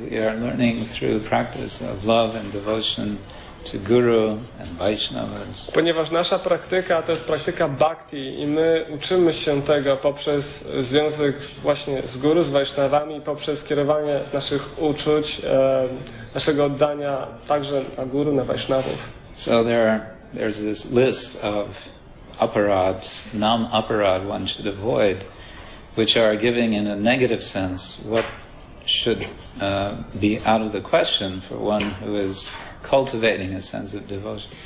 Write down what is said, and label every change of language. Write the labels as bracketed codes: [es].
[en] We are learning through practice of love and devotion to guru and Vaishnavas. [pl] Ponieważ nasza praktyka to jest praktyka bhakti i my uczymy się tego poprzez związek właśnie z guru, z Vaishnavami, poprzez kierowanie naszych uczuć, naszego oddania także na guru, na Vaishnavów. [en] So there's this list of aparads, non-aparad one should avoid, which are giving in a negative sense what should be out of the question for one who is cultivating a sense of devotion.